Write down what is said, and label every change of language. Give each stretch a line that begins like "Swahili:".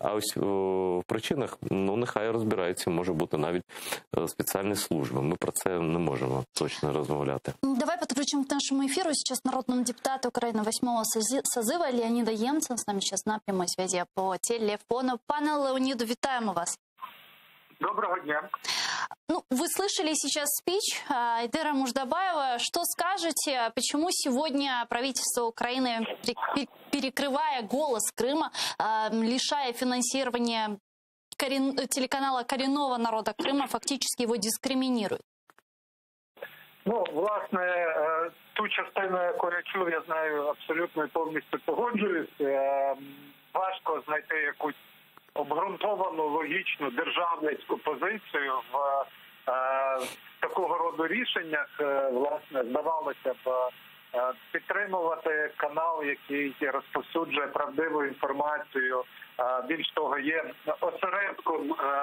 Ukrainian: А ось в причинах, ну, нехай розбираються, може бути навіть спеціальні служби. Ми про це не можемо точно розмовляти. Давай підключимо до нашому ефіру зараз народного депутата України 8-го созива Леоніда Ємця. З нами зараз на прямій зв'язі по телефону. Пане Леоніду, вітаємо вас. Доброго дня.
Russian: Ну, вы слышали сейчас спич Эдера Муждабаева. Что скажете, почему сегодня правительство Украины, перекрывая голос Крыма, лишая финансирования телеканала коренного народа Крыма, фактически его дискриминирует?
Ukrainian: Ну, власне, ту частину, яку я чув, я знаю, абсолютно і повністю погоджуюсь. Важко знайти якусь обґрунтовану, логічну державницьку позицію в такого роду рішеннях, власне, здавалося б, підтримувати канал, який розповсюджує правдиву інформацію, більш того, є осередком